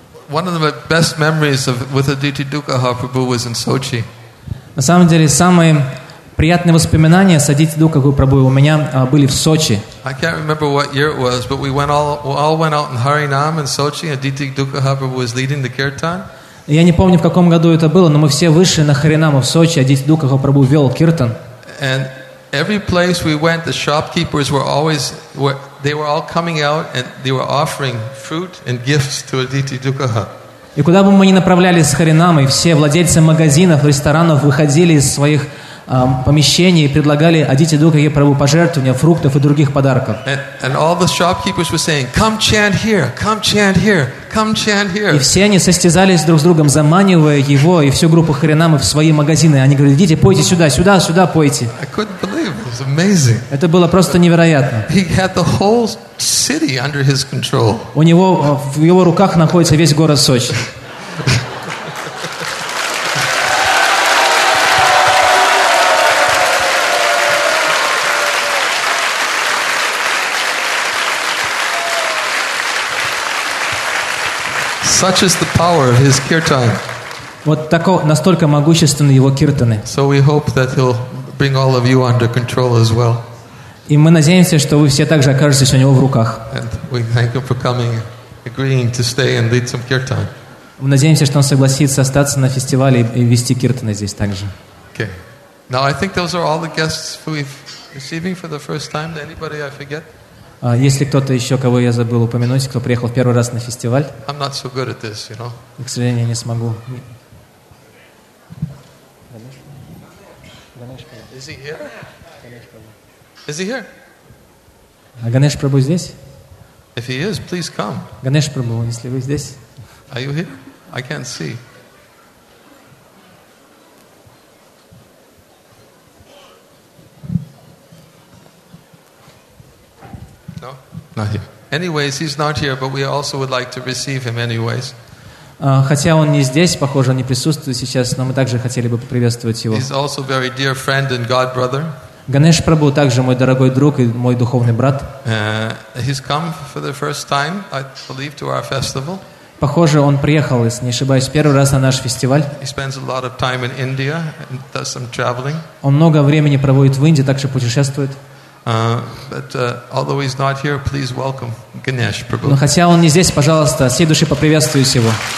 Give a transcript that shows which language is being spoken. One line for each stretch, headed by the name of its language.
English: One of the best memories of with Aditi Dukaha Prabhu was in Sochi.
Russian: На самом деле, самые приятные воспоминания с Aditi Dukaha Prabhu у меня были в Сочи.
English: I can't remember what year it was, but we all went out in Harinam in Sochi, and Aditi Dukaha Prabhu was leading the kirtan.
Russian: Я не помню, в каком году это было, но мы все вышли на Харинаму в Сочи, Адити Дукаха Прабху вел киртан.
English: And every place we went, the shopkeepers were all coming out and they were offering fruit and gifts to Aditi Dukaha.
Russian: И куда бы мы ни направлялись с Харинамой, все владельцы магазинов, ресторанов выходили из своих помещений и предлагали Адити Дукахе Прабху пожертвования фруктов и других подарков.
English: And all the shopkeepers were saying, come chant here, come chant here, come chant here.
Russian: И все они состязались друг с другом, заманивая его и всю группу харинамы в свои магазины. Они говорили, идите, пойте сюда, сюда, сюда пойте.
English: I couldn't believe it. It was amazing.
Russian: Это было просто невероятно.
English: He had the whole city under his control.
Russian: У него, в его руках находится весь город Сочи.
English: Such is the power of his kirtan.
Russian: Вот тако настолько могущественны его киртаны.
English: So we hope that he'll bring all of you under control as well.
Russian: И мы надеемся, что вы все также окажетесь у него в руках.
English: And we thank him for coming, agreeing to stay and lead some kirtan.
Russian: Мы надеемся, что он согласится остаться на фестивале и вести киртаны здесь также.
English: Okay. Now I think those are all the guests we've receiving for the first time. Anybody I forget?
Russian: Есть ли кто-то еще, кого я забыл упомянуть, кто приехал в первый раз на фестиваль?
English: I'm not so good at this, you know?
Russian: К сожалению, я не смогу.
English: Is he here? Is he here?
Russian: А Ганеш Прабху здесь?
English: If he is, please come.
Russian: Ганеш Прабху, если вы здесь?
English: Are you here? I can't see. No? Not here. Anyways, he's not here, but we also would like to receive him anyways.
Russian: Хотя он не здесь, похоже, он не присутствует сейчас, но мы также хотели бы поприветствовать его.
English: He's also very dear friend and God brother.
Russian: Ганеш Прабху также мой дорогой друг и мой духовный брат.
English: He's come for the first time, I believe, to our festival.
Russian: Похоже, он приехал, если не ошибаюсь, первый раз на наш фестиваль.
English: He spends a lot of time in India and does some traveling.
Russian: Он много времени проводит в Индии, также путешествует.
English: Although he's not here, please welcome Ganesh Prabhu.
Russian: Но хотя он не здесь, пожалуйста, всей души поприветствую его.